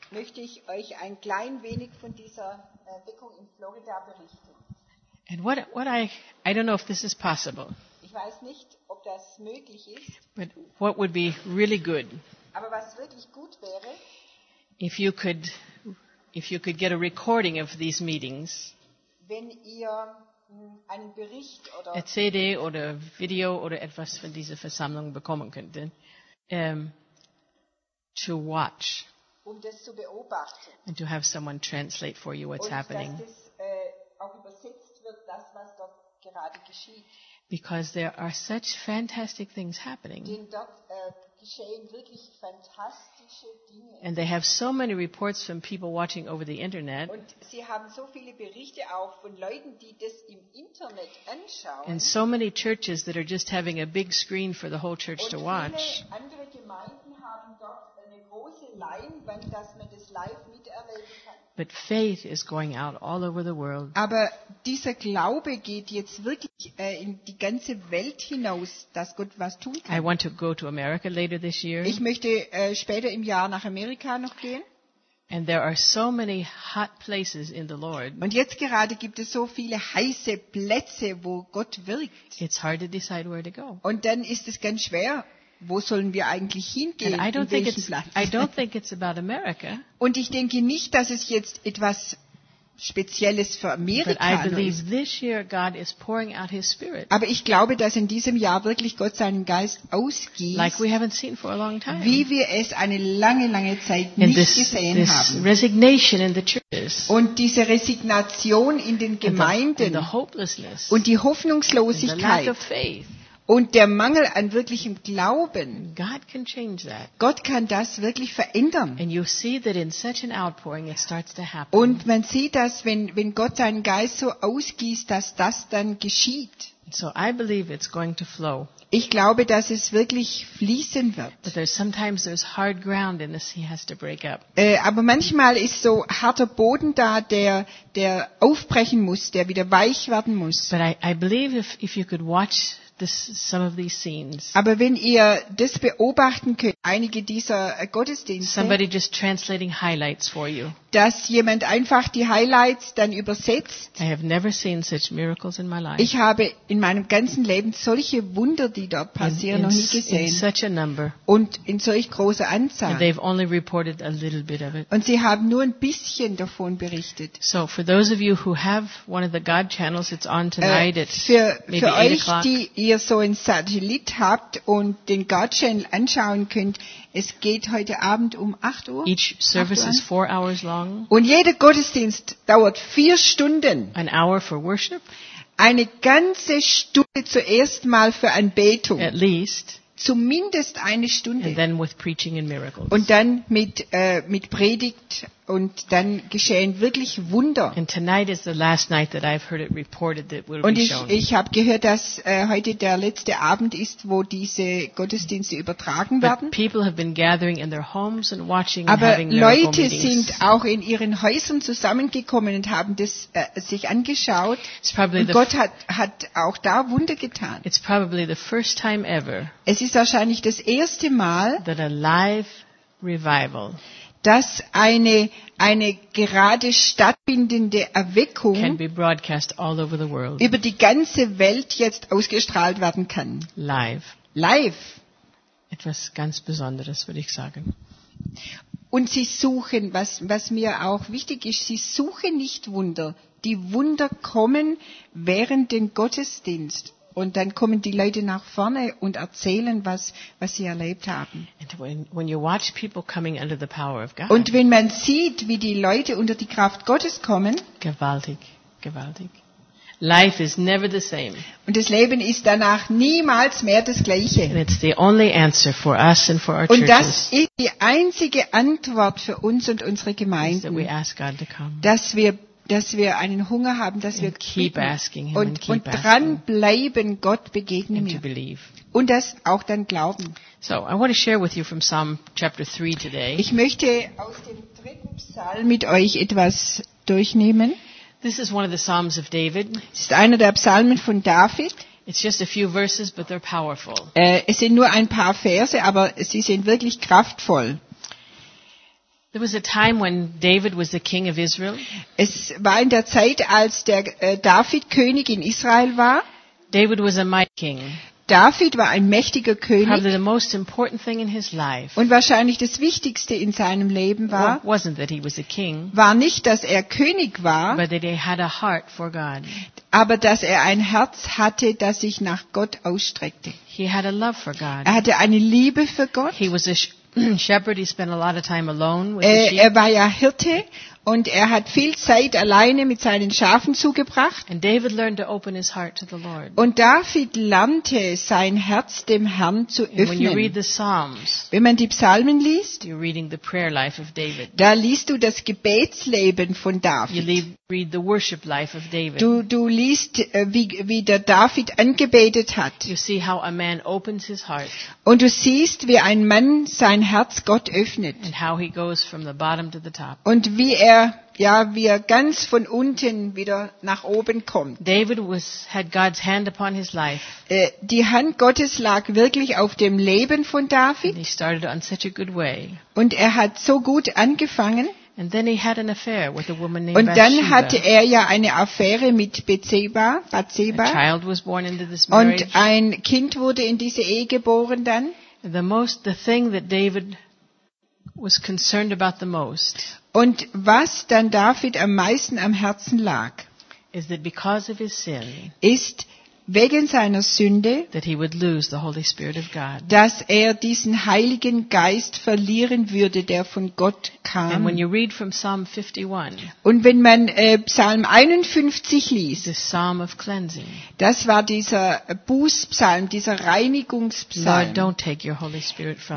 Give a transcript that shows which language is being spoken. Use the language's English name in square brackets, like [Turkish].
[English] And I don't know if this is possible. [German] Ich weiß nicht, ob das möglich ist, [English] but what would be really good? [German] Aber was wirklich gut wäre, [English] if you could get a recording of these meetings. [German] Wenn ihr einen Bericht oder a CD oder Video oder etwas von dieser Versammlung bekommen könnte, [English] to watch. [German] Um das zu beobachten. [English] And to have someone translate for you what's [German] und [English] happening. [German] Dass auch übersetzt wird, das, was dort gerade geschieht. [English] Because there are such fantastic things happening. [German] Denn dort geschehen wirklich fantastische Dinge. [English] And they have so many reports from people watching over the internet. [German] Und sie haben so viele Berichte auch von Leuten, die das im Internet anschauen. [English] And so many churches that are just having a big screen for the whole church [German] und [English] to watch. [German] Und viele andere Gemeinden haben dort eine große Leinwand, dass man das live miterleben kann. [English] But faith is going out all over the world. [German] Aber dieser Glaube geht jetzt wirklich in die ganze Welt hinaus, dass Gott was tun kann. [English] I want to go to America later this year. [German] Ich möchte später im Jahr nach Amerika noch gehen. [English] And there are so many hot places in the Lord. [German] Und jetzt gerade gibt es so viele heiße Plätze, wo Gott wirkt. [English] It's hard to decide where to go. [German] Und dann ist es ganz schwer. Wo sollen wir eigentlich hingehen? [English] And I don't [German] in welchen Platz? [English] I don't think it's about America. [German] Und ich denke nicht, dass es jetzt etwas Spezielles für Amerika [English] but I believe this year God is pouring out his spirit. [German] Aber ich glaube, dass in diesem Jahr wirklich Gott seinen Geist ausgießt, [English] like we haven't seen for a long time. [German] Wie wir es eine lange, lange Zeit [English] in [German] nicht [English] this, [German] gesehen [English] this [German] haben. [English] Resignation in the churches. [German] Und diese Resignation in den Gemeinden [English] and the hopelessness. [German] Und die Hoffnungslosigkeit. [English] And the lack of faith. [German] Und der Mangel an wirklichem Glauben. [English] God can change that. [German] Gott kann das wirklich verändern. [English] And you see that in such an outpouring it starts to happen. [German] Und man sieht das, wenn Gott seinen Geist so ausgießt, dass das dann geschieht. [English] So I believe it's going to flow. [German] Ich glaube, dass es wirklich fließen wird. [English] But there's hard ground and this he has to break up. [German] Aber manchmal ist so harter Boden da, der aufbrechen muss, der wieder weich werden muss. [English] But I believe if you could watch this, some of these scenes. [German] Aber wenn ihr das beobachten könnt, einige dieser Gottesdienste, [English] somebody just translating highlights for you. [German] Dass jemand einfach die Highlights dann übersetzt. [English] I have never seen such miracles in my life. [German] Ich habe in meinem ganzen Leben solche Wunder, die dort passieren, noch nie gesehen. [English] In such a number. [German] Und in solch großer Anzahl. [English] And they've only reported a little bit of it. [German] Und sie haben nur ein bisschen davon berichtet. [English] So for those of you who have one of the God channels, it's on tonight. [German] Für euch, die ihr so einen Satellit habt und den God Channel anschauen könnt, es geht heute Abend um 8 Uhr. [English] Each service is 4 hours long. [German] Und jeder Gottesdienst dauert 4 Stunden. [English] An hour for worship. [German] Eine ganze Stunde zuerst mal für Anbetung. [English] At least. [German] Zumindest eine Stunde. [English] And then with preaching and miracles. [German] Und dann mit Predigt und dann geschehen wirklich Wunder. [English] And tonight is the last night that I've heard it reported that will [German] und [English] be shown. [German] Und ich habe gehört, dass heute der letzte Abend ist, wo diese Gottesdienste übertragen [English] but [German] werden. [English] People have been gathering in their homes and watching [German] aber [English] and having [German] Leute [English] miracle meetings. [German] Sind auch in ihren Häusern zusammengekommen und haben das sich angeschaut. [English] It's probably [German] und Gott hat auch da Wunder getan. [English] It's probably the first time ever. [German] Es ist wahrscheinlich das erste Mal, [English] that a live revival. [German] Dass eine gerade stattfindende Erweckung [English] can be broadcast all over the world. [German] Über die ganze Welt jetzt ausgestrahlt werden kann. [English] Live. [German] Live. Etwas ganz Besonderes, würde ich sagen. Und sie suchen, was mir auch wichtig ist, sie suchen nicht Wunder. Die Wunder kommen während dem Gottesdienst. Und dann kommen die Leute nach vorne und erzählen, was sie erlebt haben. Und wenn man sieht, wie die Leute unter die Kraft Gottes kommen, gewaltig, gewaltig. [English] Life is never the same. [German] Und das Leben ist danach niemals mehr das Gleiche. [English] And it's the only answer for us and for our churches. [German] Und das ist die einzige Antwort für uns und unsere Gemeinden, [English] that we ask God to come. [German] Dass wir einen Hunger haben, dass [English] and [German] wir [English] keep asking him [German] und dranbleiben, Gott begegnen [English] and to believe. [German] Und das auch dann glauben. [English] So, I want to share with you from Psalm chapter 3 today. [German] Ich möchte aus dem dritten Psalm mit euch etwas durchnehmen. [English] This is one of the Psalms of David. [German] Es ist einer der Psalmen von David. [English] It's just a few verses, but they're powerful. [German] Es sind nur ein paar Verse, aber sie sind wirklich kraftvoll. [English] There was a time when David was the king of Israel. [German] Es war in der Zeit, als der David König in Israel war. [English] David was a mighty king. [German] David war ein mächtiger König. [English] Probably the most important thing in his life. [German] Und wahrscheinlich das Wichtigste in seinem Leben war, [English] wasn't that he was a king, [German] war nicht, dass er König war, [English] but that he had a heart for God. [German] Aber dass er ein Herz hatte, das sich nach Gott ausstreckte. [English] He had a love for God. [German] Er hatte eine Liebe für Gott. [English] He was a shepherd. He spent a lot of time alone with the sheep. [German] Er war ja Hirte. Und er hat viel Zeit alleine mit seinen Schafen zugebracht. [English] And David learned to open his heart to the Lord. [German] Und David lernte, sein Herz dem Herrn zu öffnen. [English] And when you read the Psalms, [German] wenn man die Psalmen liest, [English] you're reading the prayer life of David. [German] Da liest du das Gebetsleben von David. [English] You read the worship life of David. [German] Du liest, wie der David angebetet hat. [English] You see how a man opens his heart. [German] Und du siehst, wie ein Mann sein Herz Gott öffnet. [English] And how he goes from the bottom to the top. [German] Und wie er, ja, wie er ganz von unten wieder nach oben kommt. [English] David had God's hand upon his life. [German] Die Hand Gottes lag wirklich auf dem Leben von David. [English] And he started on such a good way. [German] Und er hat so gut angefangen. [English] And then he had an affair with a woman named [German] Und dann Bathsheba. Hatte er ja eine Affäre mit Bathsheba. [English] A child was born into this marriage. [German] Und ein Kind wurde in diese Ehe geboren dann. [English] The thing that David was concerned about the most. [German] Und was dann David am meisten am Herzen lag, [English] is that because of his sin, [German] ist wegen seiner Sünde, [English] that he would lose the Holy Spirit of God. [German] Dass er diesen Heiligen Geist verlieren würde, der von Gott kam. [English] And when you read from Psalm 51, [German] und wenn man Psalm 51 liest, [English] the Psalm of cleansing, [German] das war dieser Bußpsalm, dieser Reinigungspsalm. [English] Lord, don't take your Holy Spirit from